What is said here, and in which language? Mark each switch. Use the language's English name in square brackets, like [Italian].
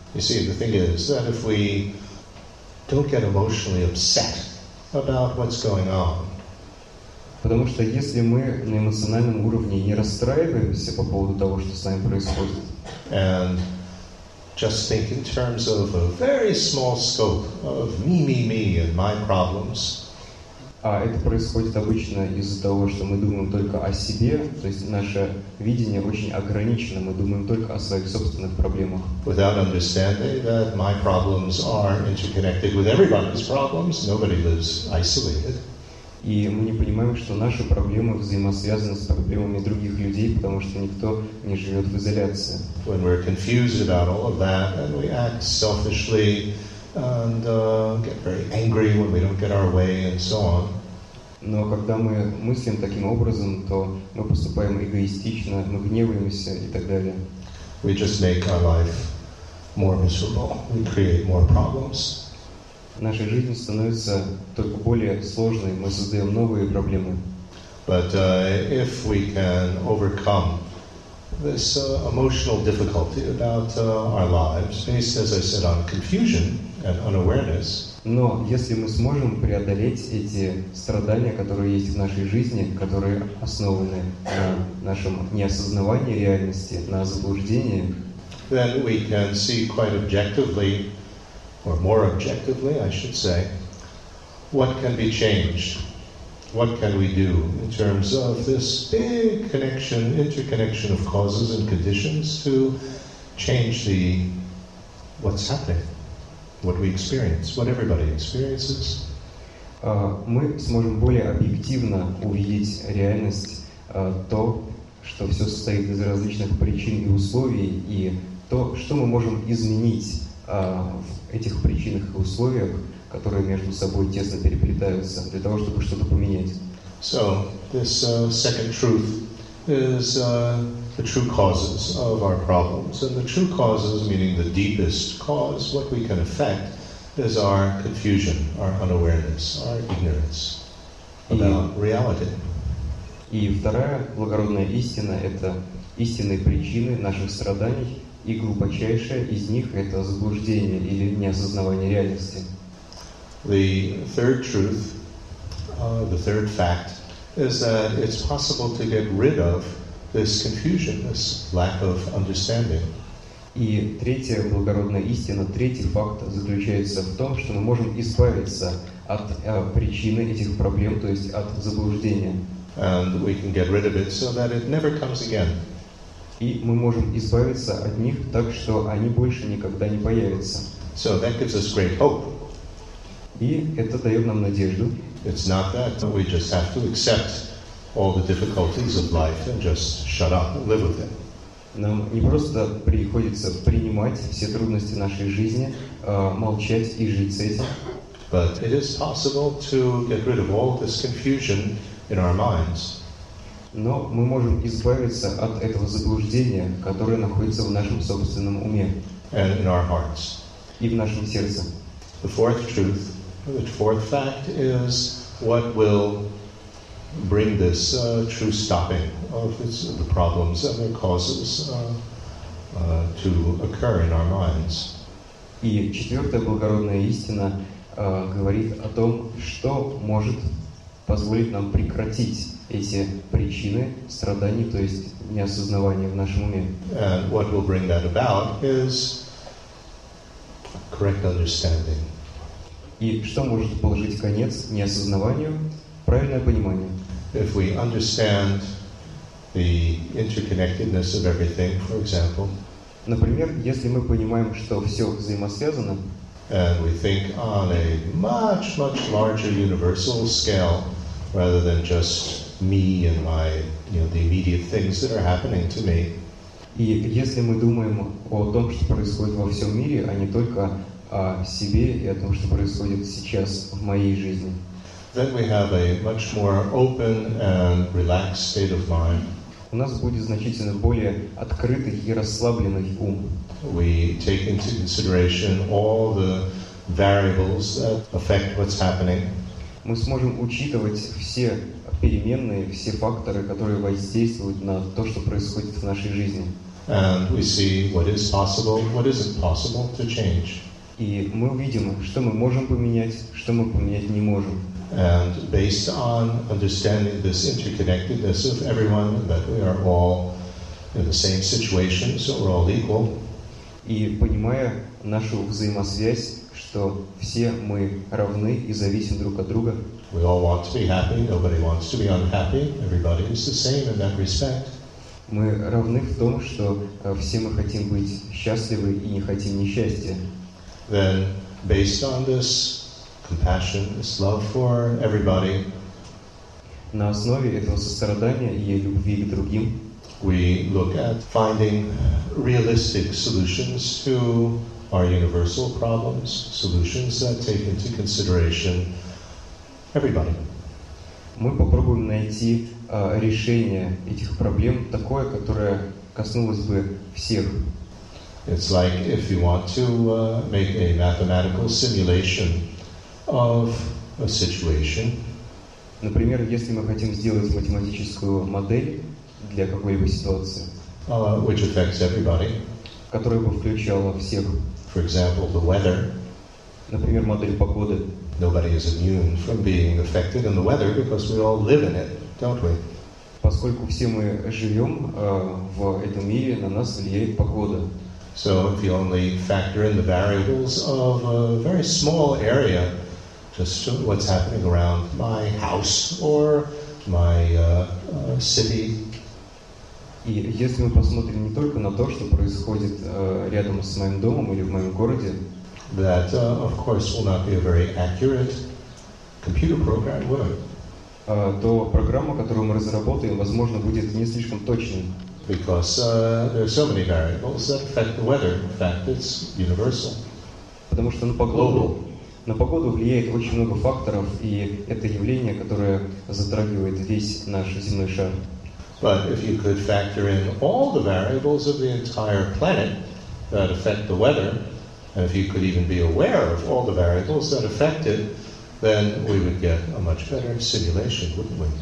[English] You see, the thing is that if we don't get emotionally upset about what's going on, [Russian] потому что если мы на эмоциональном уровне не расстраиваемся по поводу того, что с нами происходит, [English] and just think in terms of a very small scope of me, me, me and my problems. [Russian] А это происходит обычно из-за того, что мы думаем только о себе, то есть наше видение очень ограничено, мы думаем только о своих собственных проблемах. [English] Without understanding that my problems are interconnected with everybody's problems, nobody lives isolated. [Russian] И мы не понимаем, что наши проблемы взаимосвязаны с проблемами других людей, потому что никто не живет в изоляции. [English] When we're confused about all of that, and we act selfishly, and get very angry when we don't get our way, and so on. [Russian] Но когда мы мыслим таким образом, то мы поступаем эгоистично, мы гневаемся и так далее. [English] We just make our life more miserable. We create more problems. [Russian] Наша жизнь становится только более сложной, мы создаем новые проблемы. [English] But if we can overcome this emotional difficulty about our lives, based, as I said, on confusion and unawareness, [Russian] но если мы сможем преодолеть эти страдания, которые есть в нашей жизни, которые основаны на нашем неосознавании реальности, на заблуждении, [English] then we can see quite objectively, or more objectively, I should say, what can be changed? What can we do in terms of this big connection, interconnection of causes and conditions to change the what's happening, what we experience, what everybody experiences? [Russian] Мы сможем более объективно увидеть реальность, то, что все состоит из различных причин и условий, и то, что мы можем изменить в этих причинах и условиях, которые между собой тесно переплетаются, для того, чтобы что-то поменять. [English] So, this second truth is the true causes of our problems. And the true causes, meaning the deepest cause, what we can affect, is our confusion, our unawareness, our ignorance about reality. [Russian] И вторая благородная истина – это истинные причины наших страданий, и глубочайшая из них – это заблуждение или неосознавание реальности. [English] The third truth, the third fact, is that it's possible to get rid of this confusion, this lack of understanding. [Russian] И третья благородная истина, третий факт заключается в том, что мы можем избавиться от причины этих проблем, то есть от заблуждения. [English] And we can get rid of it so that it never comes again. [Russian] И мы можем избавиться от них так, что они больше никогда не появятся. [English] So that gives us great hope. [Russian] И это дает нам надежду. [English] It's not that we just have to accept all the difficulties of life and just shut up and live with it. [Russian] Нам не просто приходится принимать все трудности нашей жизни, молчать и жить с этим. [English] But it is possible to get rid of all this confusion in our minds. [Russian] Но мы можем избавиться от этого заблуждения, которое находится в нашем собственном уме. [English] And in our hearts. [Russian] И в нашем сердце. [English] The fourth truth, the fourth fact is what will bring this true stopping of the problems and their causes to occur in our minds. [Russian] И четвертая благородная истина говорит о том, что может позволить нам прекратить эти причины страданий, то есть неосознавания в нашем уме. [English] And what will bring that about is correct understanding. [Russian] И что может положить конец неосознаванию? Правильное понимание. [English] If we understand the interconnectedness of everything, for example, [Russian] например, если мы понимаем, что все взаимосвязано, [English] and we think on a much, much larger universal scale, rather than just me and my, you know, the immediate things that are happening to me. [Russian] И если мы думаем о том, что происходит во всем мире, а не только о себе и о том, что происходит сейчас в моей жизни. [English] Then we have a much more open and relaxed state of mind. [Russian] У нас будет значительно более открытый и расслабленный ум. [English] We take into consideration all the variables that affect what's happening. [Russian] Мы сможем учитывать все переменные, все факторы, которые воздействуют на то, что происходит в нашей жизни. [English] And we see what is possible, what isn't possible to change. [Russian] И мы увидим, что мы можем поменять, что мы поменять не можем. [English] And based on understanding this interconnectedness of everyone, that we are all in the same situation, so we're all equal. [Russian] И понимая нашу взаимосвязь, что все мы равны и зависим друг от друга. [English] We all want to be happy, nobody wants to be unhappy. Everybody is the same in that respect. [Russian] Мы равны в том, что все мы хотим быть счастливы и не хотим несчастья. [English] Then, based on this compassion, this love for everybody. [Russian] На основе этого сострадания и любви к другим. [English] We look at finding realistic solutions to our universal problems, solutions that take into consideration everybody. [Russian] Мы попробуем найти решение этих проблем такое, которое коснулось бы всех. [English] It's like if you want to make a mathematical simulation of a situation. [Russian] Например, если мы хотим сделать математическую модель для какой-либо ситуации, [English] which affects everybody, [Russian] которая бы включала всех. [English] For example, the weather. [Russian] Например, модель погоды. [English] Nobody is immune from being affected in the weather because we all live in it, don't we? [Russian] Поскольку все мы живем в этом мире, на нас влияет погода. [English] So if you only factor in the variables of a very small area, just what's happening around my house or my city. [Russian] И если мы посмотрим не только на то, что происходит рядом с моим домом или в моем городе, [English] that, of course, will not be a very accurate computer program, would it? [Russian] То программа, которую мы разработаем, возможно, будет не слишком точной. [English] Because there are so many variables that affect the weather. In fact, it's universal. [Russian] Потому что на погоду, влияет очень много факторов, и это явление, которое затрагивает весь наш земной шар. [English] But if you could factor in all the variables of the entire planet that affect the weather, and if you could even be aware of all the variables that affect it, then we would get a much better simulation, wouldn't we?